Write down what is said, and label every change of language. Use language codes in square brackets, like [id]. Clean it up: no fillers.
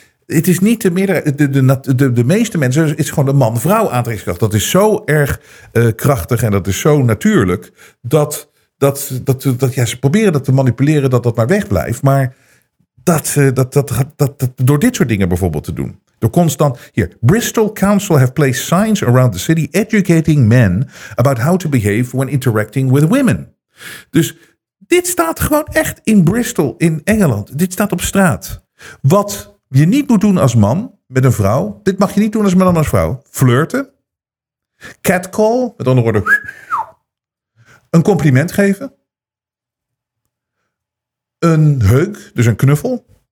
[nl] Het is niet de meerderheid. De meeste mensen, het is gewoon de man-vrouw aantrekkingskracht. Dat is zo erg krachtig en dat is zo natuurlijk. Dat ja, ze proberen dat te manipuleren, dat maar wegblijft. Maar dat door dit soort dingen bijvoorbeeld te doen. Door constant, hier, [en] Bristol Council have placed signs around the city educating men about how to behave when interacting with women. [nl] Dus dit staat gewoon echt in Bristol, in Engeland. Dit staat op straat. Wat je niet moet doen als man met een vrouw, dit mag je niet doen als man als vrouw. Flirten, catcall, met andere woorden, een compliment geven, een hug, dus een knuffel.